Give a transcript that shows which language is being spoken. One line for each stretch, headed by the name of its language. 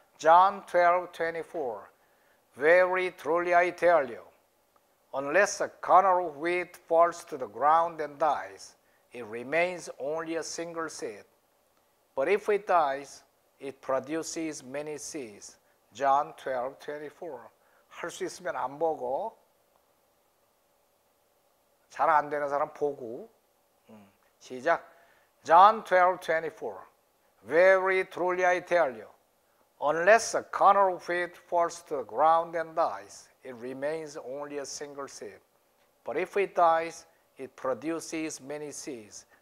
English: John 12, 24. Very truly I tell you, unless a kernel of wheat falls to the ground and dies, it remains only a single seed. But if it dies, it produces many seeds. John 12, 24.
Korean: 할 수 있으면 안 보고, 잘 안 되는 사람 보고, 시작.
English: John 12, 24. Very truly I tell you, unless a kernel of wheat falls to the ground and dies, it remains only a single seed. But if it dies, it produces many seeds.